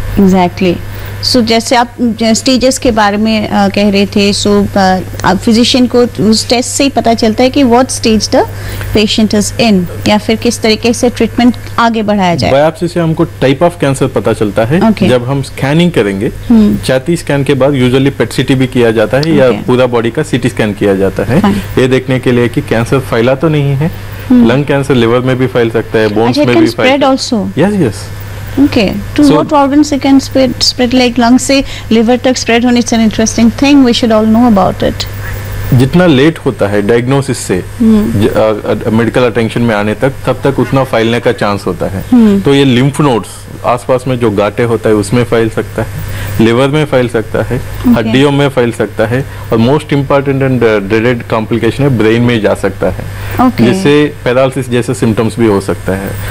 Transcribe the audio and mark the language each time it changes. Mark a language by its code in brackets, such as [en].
[hi] Exactly so जैसे आप stages के बारे में कह रहे थे, सो फिजिशियन को उस टेस्ट से ही पता चलता है कि [en] what stage the patient is in [hi] या फिर किस तरीके से ट्रीटमेंट आगे बढ़ाया जाए। बायोप्सी से हमको टाइप ऑफ कैंसर पता चलता है जब हम स्कैनिंग करेंगे। छाती स्कैन के बाद यूजुअली पेट सीटी भी किया जाता है या पूरा बॉडी का सीटी स्कैन किया जाता है ये देखने के लिए कि कैंसर फैला तो नहीं है। लंग कैंसर लिवर में भी फैल सकता है, बोन्स में भी [en] Spread also. Yes yes okay to so, what organs it can spread like lung [hi] se liver tak spread hone, [en] it's an interesting thing we should all know about it। [hi] जितना late होता है diagnosis से medical attention में आने तक तब तक उतना फैलने का चांस होता है। तो ये लिम्फ नोड्स आसपास में जो गाटे होता है उसमें फैल सकता है, लिवर में फैल सकता है, हड्डियों में फैल सकता है और [en] most important and dreaded complication [hi] है ब्रेन में जा सकता है जिससे पैरालिसिस जैसे सिम्टम्स भी हो सकता है।